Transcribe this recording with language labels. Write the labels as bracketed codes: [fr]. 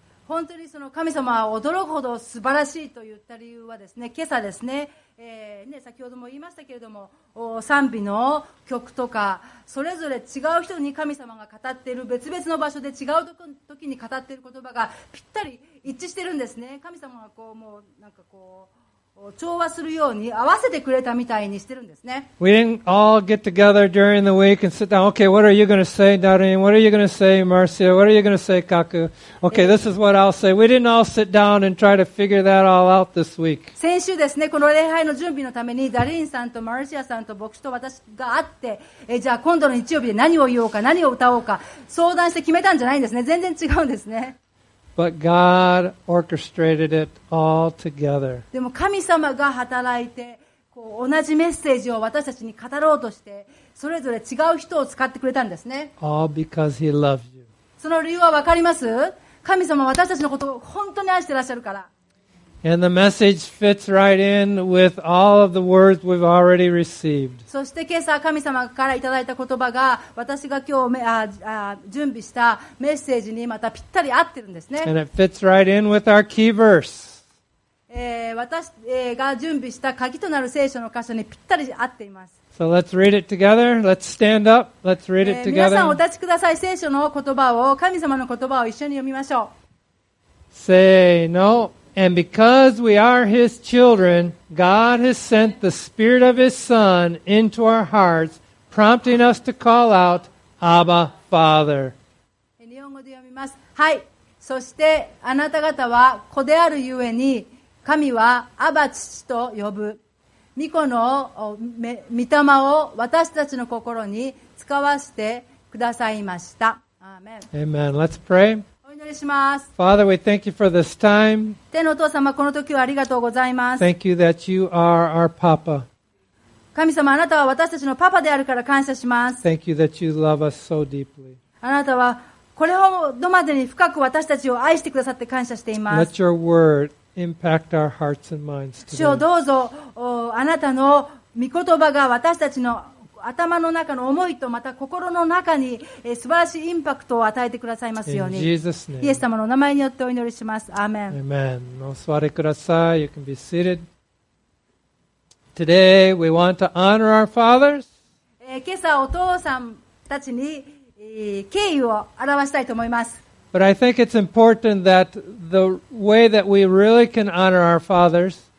[ja] 本当にその神様は驚くほど素晴らしいと言った理由はですね、今朝ですね、ね、先ほども言いましたけれども、賛美の曲とかそれぞれ違う人に神様が語っている、別々の場所で違う時に語っている言葉がぴったり一致してるんですね。神様はこうもうなんかこう調和するように合わせてくれたみたいにしてるんですね。 [en] We didn't all get together during the week and sit down. Okay, what are you going to say, Darin? What are you going to say, Marcia? What are you going to say, Kaku? Okay, this is what I'll say. We didn't all sit down and try to figure that all out this week. [ja] 先週ですね、この礼拝の準備のためにダリンさんとマルシアさんと牧師と私が会って、じゃあ今度の日曜日で何を言おうか、何を歌おうか相談して決めたんじゃないんですね。全然違うんですね。 [en] But God orchestrated it all together. [ja] でも神様が働いてこう同じメッセージを私たちに語ろうとして、それぞれ違う人を使ってくれたんですね。 [en] All because he loves you. [ja] その理由は分かります？神様は私たちのことを本当に愛してらっしゃるから。 [en] And the message fits right in with all of the words we've already received. [ja] そして今朝神様からいただいた言葉が、私が今日準備したメッセージにまたぴったり合ってるんですね。 [en] And it fits right in with our key verse. [ja] 私が準備した鍵となる聖書の箇所にぴったり合っています。 [en] So let's read it together. Let's stand up. Let's read it together. [ja] 皆さんお立ちください。聖書の言葉を、神様の言葉を一緒に読みましょう。せーの。 [en] And because we are his children, God has sent the spirit of his son into our hearts, prompting us to call out, Abba, Father. [ja] 日本語で読みます。はい。そしてあなた方は子であるゆえに、神はアバ父と呼ぶ。御子の御霊を私たちの心に使わせてくださいました。アーメン。 [en] Amen. Let's pray. Father, we thank you for this time. [ja] 天のお父様、この時はありがとうございます。 [en] Thank you that you are our Papa. [ja] 神様、あなたは私たちのパパであるから感謝します。 [en] Thank you that you love us so deeply. [ja] あなたはこれほどまでに深く私たちを愛してくださって感謝しています。 [en] Let your word impact our hearts and minds today. [ja] 主よ、どうぞあなたの御言葉が私たちの頭の中の思いとまた心の中に素晴らしいインパクトを与えてくださいますように。イエス様の名前によってお祈りします。アーメン。お座りください。 [en] You can be seated. Today we want to honor our fathers. [ja] 今朝お父さんたちに敬意を表したいと思います。 [en] But I think it's important that the way that we really can honor our fathers.